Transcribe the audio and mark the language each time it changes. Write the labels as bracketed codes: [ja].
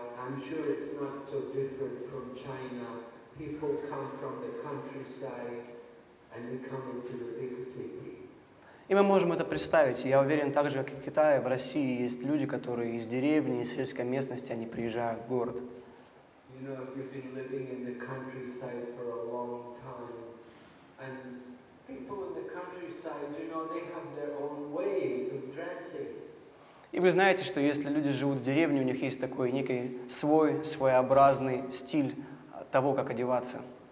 [en] I'm sure it's not so different from China. People come from the countryside and they come into the big city. [ru] И мы можем это представить. Я уверен, так же, как и в Китае, в России есть люди, которые из деревни, из сельской местности, они приезжают в город. [en] You know, if you've been living in the countryside for a long time, and people in the countryside, you know, they have their own ways of dressing. [ru] И вы знаете, что если люди живут в деревне, у них есть такой некий свой, своеобразный стиль того, как одеваться.